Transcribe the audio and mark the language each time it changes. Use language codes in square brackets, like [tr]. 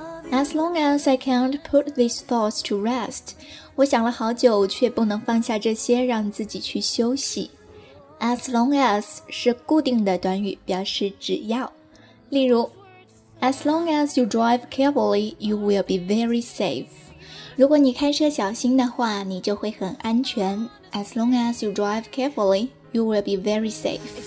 [en] As long as I can't put these thoughts to rest, [zh] 我想了好久却不能放下这些让自己去休息。 As long as 是固定的短语，表示只要。 [en] 例如 ,As long as you drive carefully, you will be very safe. [zh] 如果你开车小心的话，你就会很安全。 [en] As long as you drive carefully, you will be very safe.